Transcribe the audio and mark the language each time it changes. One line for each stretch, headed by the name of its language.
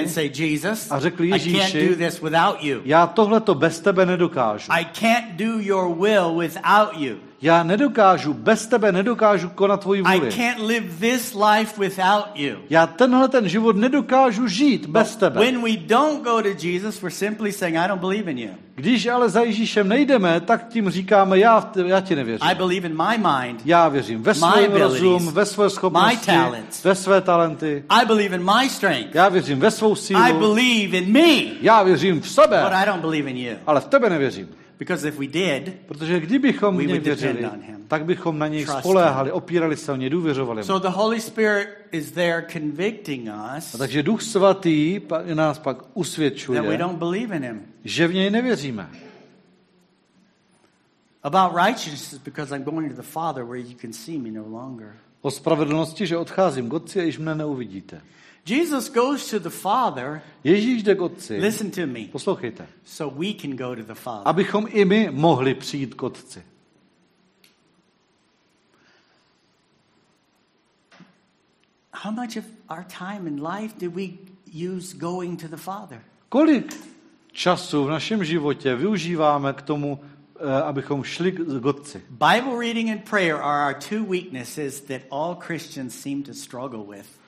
English: and say, Jesus,
Czech: a řekli Ježíši,
English: I can't do this without you.
Czech: Já tohle to bez tebe nedokážu.
English: I can't do your will without you.
Czech: Já nedokážu, bez tebe nedokážu konat tvoji vůli.
English: I can't live this life without you.
Czech: Já tenhle ten život nedokážu žít bez tebe.
English: When we don't go to Jesus, we're simply saying I don't believe in you.
Czech: Když ale za Ježíšem nejdeme, tak tím říkáme já ti nevěřím.
English: I believe in my mind.
Czech: Já věřím ve svůj rozum, ve své schopnosti,
English: my talents,
Czech: ve své talenty.
English: I believe in my strength.
Czech: Já věřím ve svou sílu.
English: I believe in me.
Czech: Já věřím v sebe.
English: But I don't believe in you.
Czech: Ale v tebe nevěřím.
English: Because if we did,
Czech: protože kdybychom
English: we would
Czech: věřili,
English: depend on him,
Czech: tak bychom na něj spoléhali, opírali se o něj, důvěřovali mu.
English: So the Holy Spirit is there convicting us.
Czech: A takže Duch svatý nás pak usvědčuje,
English: that we don't believe in him.
Czech: Že v něj nevěříme.
English: About righteousness, because I'm going to the Father where you can see me no longer.
Czech: O spravedlnosti, že odcházím k Otci a již mne neuvidíte.
English: Jesus goes to the Father.
Czech: Ježíš jde k Otci.
English: Listen to me.
Czech: Poslouchejte.
English: So we can go to the Father.
Czech: Abychom i my mohli přijít k Otci.
English: How much of our time in life did we use going to the Father?
Czech: Kolik času v našem životě využíváme k tomu, abychom šli k Otci?
English: Bible reading and prayer are our two weaknesses that all Christians seem to struggle with.